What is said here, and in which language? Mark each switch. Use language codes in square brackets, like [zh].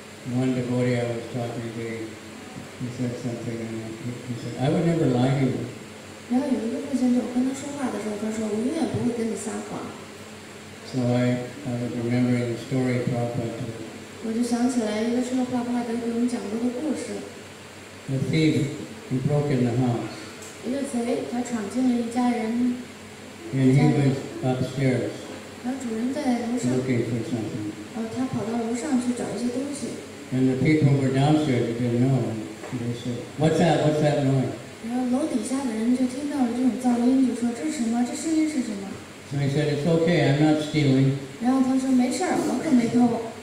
[en] One devotee I was talking to, he said something, and he said, "I would never lie to you." [zh] 然后有一个父亲就跟他说话的时候，他说，我永远不会跟你撒谎。 [en] So I was remembering the story Prabhupada told. [zh] 我就想起来一个说话给我们讲过的故事。 [en] The thief, he broke in the house. [zh] 一个贼，他闯进了一家人。 [en] And he was upstairs. [zh] 然后主人在楼上。 [en] Looking for something. [zh] 他跑到楼上去找一些东西。 [en] And the people were downstairs, they didn't know. They said, what's that noise? [zh] 然后楼底下的人就听到了这种噪音，就说，这是什么？这声音是什么？ [en] So he said, it's okay, I'm not stealing. [zh] 然后他说，没事儿，我可没偷。